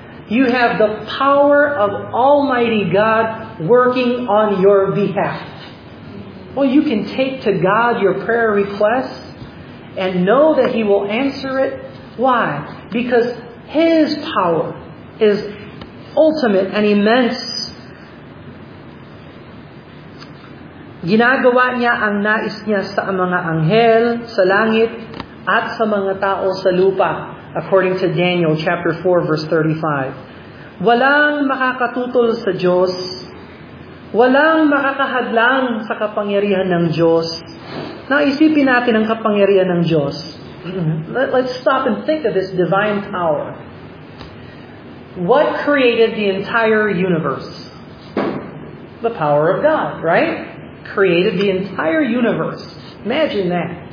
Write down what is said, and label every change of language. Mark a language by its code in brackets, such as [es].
[en] You have the power of Almighty God working on your behalf. Well, you can take to God your prayer request and know that He will answer it. Why? Because His power is ultimate and immense. [tl] Ginagawa niya ang nais niya sa mga anghel, sa langit, at sa mga tao sa lupa, [en] according to Daniel chapter 4, verse 35. [tl] Walang makakatutol sa Diyos. Walang makakahadlang sa kapangyarihan ng Diyos. Now, isipin natin ang kapangyarihan ng Diyos. [en] Let's stop and think of this divine power. What created the entire universe? The power of God, right? Created the entire universe. Imagine that.